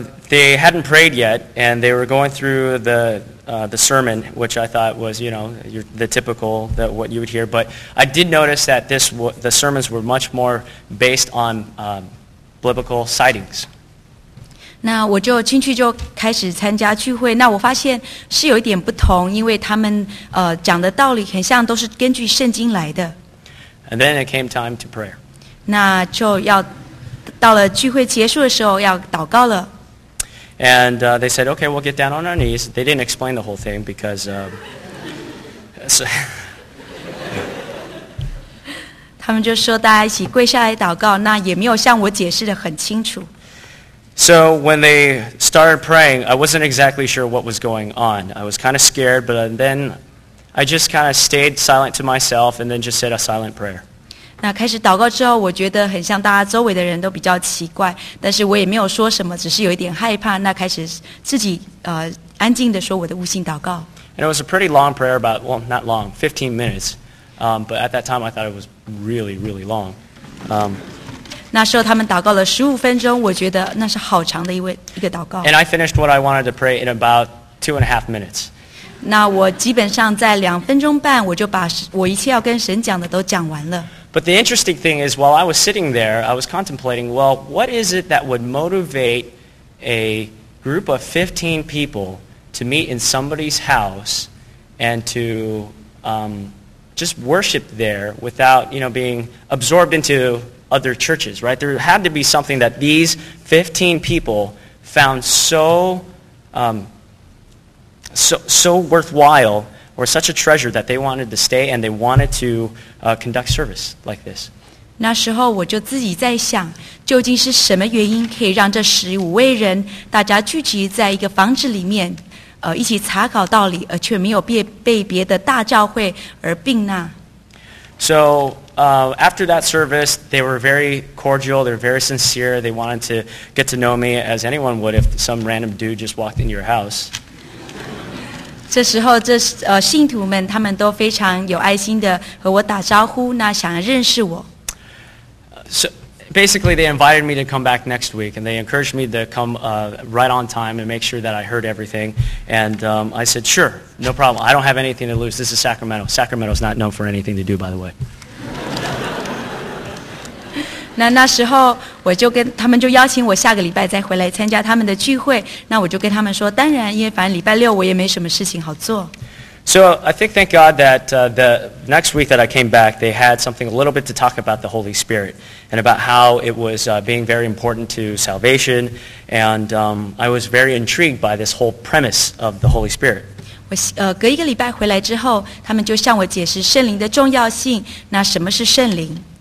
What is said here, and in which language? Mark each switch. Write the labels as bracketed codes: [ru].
[en] They hadn't prayed yet, and they were going through the sermon, which I thought was, you know, the typical, that what you would hear. But I did notice that the sermons were much more based on biblical sightings. [zh] 那我就进去就开始参加聚会，那我发现是有一点不同，因为他们讲的道理很像都是根据圣经来的。 [en] And then it came time to prayer. [zh] 那就要到了聚会结束的时候要祷告了。 [en] And they said, okay, we'll get down on our knees. They didn't explain the whole thing because... So [zh] 他们就说大家一起跪下来祷告，那也没有向我解释得很清楚。 [en] So when they started praying, I wasn't exactly sure what was going on. I was kind of scared, but then I just kind of stayed silent to myself and then just said a silent prayer. [zh] 那开始祷告之后，我觉得很像大家周围的人都比较奇怪，但是我也没有说什么，只是有一点害怕。那开始自己安静的说我的悟性祷告。 [en] And it was a pretty long prayer, about well, not long, 15 minutes. But at that time, I thought it was really, really long. [zh] 那时候他们祷告了15分钟，我觉得那是好长的一个祷告。 [en] And I finished what I wanted to pray in about 2.5 minutes. [zh] 那我基本上在两分钟半我就把我一切要跟神讲的都讲完了。 [en] But the interesting thing is, while I was sitting there, I was contemplating, well, what is it that would motivate a group of 15 people to meet in somebody's house and to just worship there without, you know, being absorbed into other churches, right? There had to be something that these 15 people found so worthwhile or such a treasure that they wanted to stay and they wanted to conduct service like this. [zh] 那时候我就自己在想，究竟是什么原因可以让这十五位人大家聚集在一个房子里面，一起查考道理，而却没有被别的大教会而并纳。 [en] So, after that service, they were very cordial, they were very sincere, they wanted to get to know me as anyone would if some random dude just walked into your house. [zh] 这时候这信徒们他们都非常有爱心的和我打招呼，那想认识我。 [en] So basically they invited me to come back next week and they encouraged me to come right on time and make sure that I heard everything. And I said, sure, no problem. I don't have anything to lose. This is Sacramento. Sacramento's not known for anything to do, by the way. [zh] 那时候我就跟他们就邀请我下个礼拜再回来参加他们的聚会，那我就跟他们说，当然，因为反正礼拜六我也没什么事情好做。 [en] So I think thank God that the next week that I came back, they had something a little bit to talk about the Holy Spirit and about how it was being very important to salvation, and I was very intrigued by this whole premise of the Holy Spirit. [zh] 隔一个礼拜回来之后，他们就向我解释圣灵的重要性，那什么是圣灵？